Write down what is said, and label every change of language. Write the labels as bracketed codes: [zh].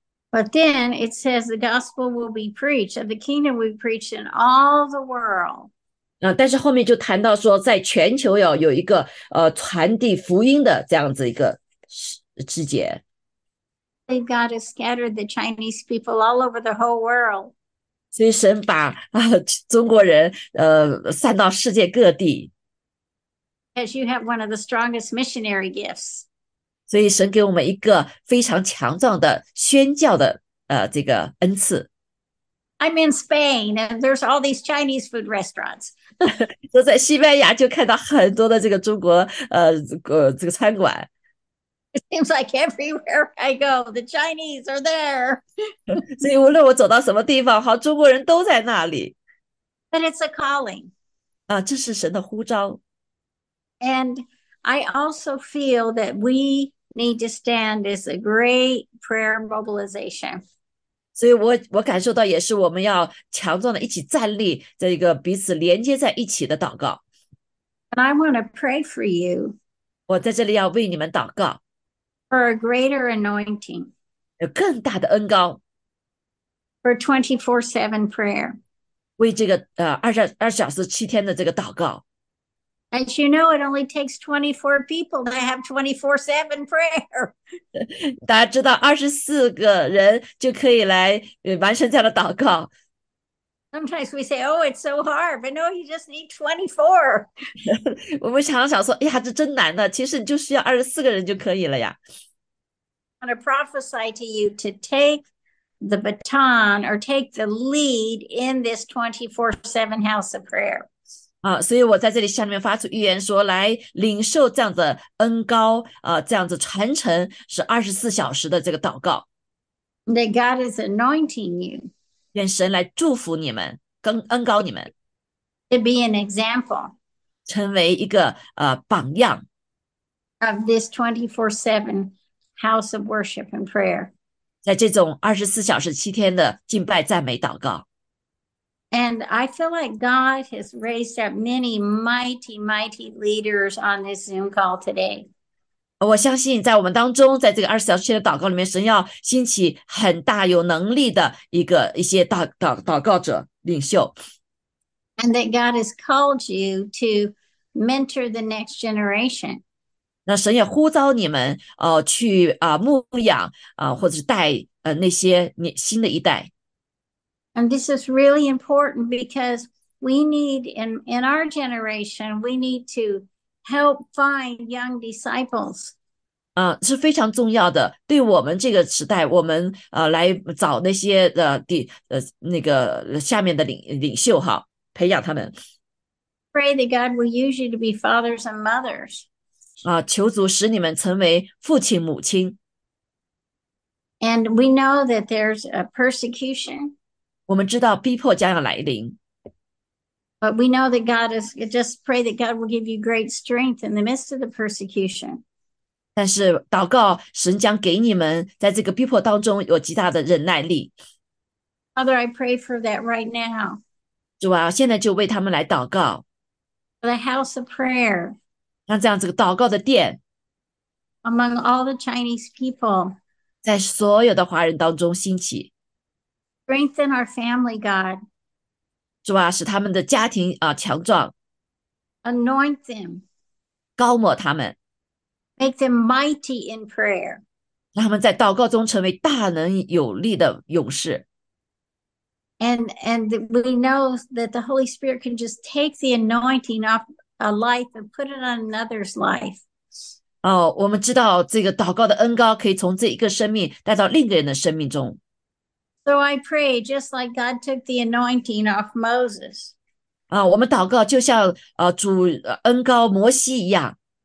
[en] But then it says the gospel will be preached, and the kingdom will be preached in all the world. [zh] 但是后面就谈到说，在全球有一个传递福音的这样子一个枝节。 [en] They've got to scatter the Chinese people all over the whole world. [zh] 所以神把中国人散到世界各地。 [en] Because you have one of the strongest missionary gifts. [zh] 所以神给我们一个非常强壮的宣教的这个恩赐。 [en] I'm in Spain and there's all these Chinese food restaurants. [zh] 就在西班牙就看到很多的这个中国这个餐馆。 [en] It seems like everywhere I go, the Chinese are there. [zh] 所以无论我走到什么地方，好，中国人都在那里。 [en] But it's a calling. [zh] 这是神的呼召。 [en] And I also feel that we need to stand as a great prayer mobilization. [zh] 所以我感受到也是我们要强壮的一起站立，这一个彼此连接在一起的祷告。 [en] And I want to pray for you. [zh] 我在这里要为你们祷告。 [en] For a greater anointing. [zh] 有更大的恩膏。 [en] For 24/7 prayer. [zh] 为这个24/7的这个祷告。 [en] As you know, it only takes 24 people to have 24/7 prayer. [zh] 大家知道24个人就可以来完成这样的祷告。 [en] Sometimes we say, oh, it's so hard, but no, you just need 24. [zh] 我们常常说，哎呀，这真难的，其实你就需要24个人就可以了呀。 [en] I want to prophesy to you to take the baton or take the lead in this 24/7 house of prayer. [zh] 所以我在这里向你们发出预言说，来领受这样的恩膏，这样子传承是24小时的这个祷告。 [en] That God is anointing you. [zh] 愿神来祝福你们，更恩膏你们。 [en] To be an example. [zh] 成为一个榜样。 [en] Of this 24/7 house of worship and prayer. [zh] 在这种24小时7天的敬拜赞美祷告。 [en] And I feel like God has raised up many mighty, mighty leaders on this Zoom call today. [zh] 我相信在我们当中，在这个24小时的祷告里面，神要兴起很大有能力的一些 祷告者领袖。 [en] And that God has called you to mentor the next generation. [zh] 那神也呼召你们去牧养或者是带那些新的一代。 [en] And this is really important because we need, in our generation, we need to help find young disciples. [zh] 是非常重要的。对我们这个时代，我们来找那些那个下面的领袖哈，培养他们。 [en] Pray that God will use you to be fathers and mothers. [zh] 求主使你们成为父亲母亲。 [en] And we know that there's a persecution. [zh] 我们知道逼迫将要来临。 [en] But we know that God is, just pray that God will give you great strength in the midst of the persecution. [zh] 但是祷告神将给你们在这个逼迫当中有极大的忍耐力。 [en] Father, I pray for that right now. [zh] 主啊，现在就为他们来祷告。 [en] The house of prayer. [zh] 让这样子祷告的殿。 [en] Among all the Chinese people. [zh] 在所有的华人当中兴起。 [en] Strengthen our family, God. [zh] 主啊，使他们的家庭强壮。 [en] Anoint them. [zh] 膏抹他们。 [en] Make them mighty in prayer. [zh] 让他们在祷告中成为大能有力的勇士。 [en] And we know that the Holy Spirit can just take the anointing off a life and put it on another's life. [zh] 我们知道这个祷告的恩膏可以从这一个生命带到另一个人的生命中。 [en] So I pray, just like God took the anointing off Moses. [zh] 我们祷告就像主恩膏摩西一样。